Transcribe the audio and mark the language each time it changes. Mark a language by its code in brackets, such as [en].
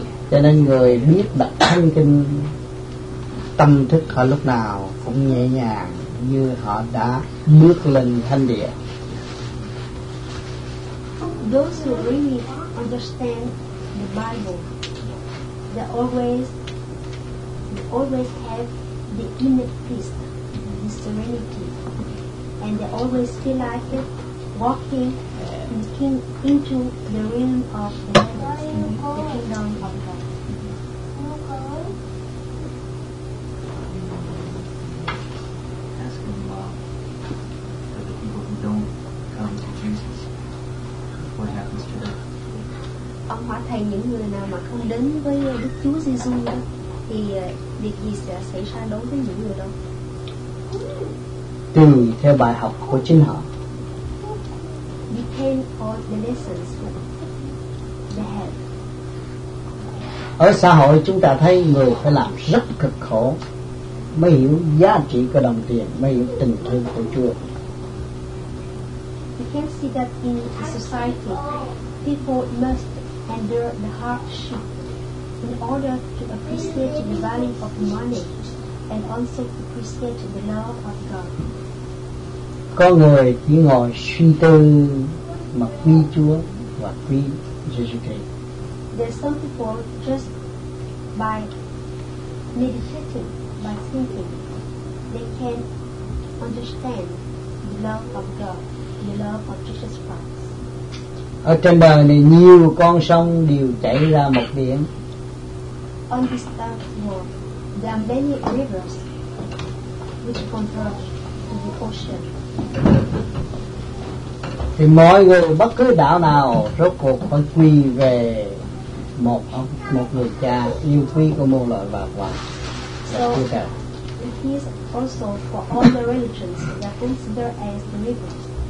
[vi] Cho nên người biết đọc thanh kinh, tâm thức họ lúc nào cũng nhẹ nhàng như họ đã bước lên thanh địa. [en] Those who really understand the Bible, they always have the inner peace, the serenity, and they always feel like walking into the realm of the heavens, the kingdom of God. Asking for the people who don't come to Jesus, what happens to them? [vi] Ông hỏi thầy những người nào mà không đến với Đức Chúa Giêsu đó thì việc gì sẽ xảy ra đối với những người đó? Tùy theo bài học của chính họ. [en] Depend on the lessons they have. [vi] Ở xã hội chúng ta thấy người phải làm rất cực khổ mới hiểu giá trị của đồng tiền, mới hiểu tình thương của Chúa. [en] We can see that in society people must endure the hardship in order to appreciate the value of money and also to appreciate the love of God. [vi] Có người chỉ ngồi suy tư mà quy Chúa và quy Jesus Christ. [en] There are some people just by meditating, by thinking, they can understand the love of God, the love of Jesus Christ. [vi] Ở trên đời này nhiều con sông đều chảy ra một biển. [en] On this world, there are many rivers which converge to the ocean. [vi] Thì mọi người bất cứ đạo nào rốt cuộc phải quy về một người cha yêu quý của muôn loài và quả. [en] So, it is also for all the religions that are considered as the rivers.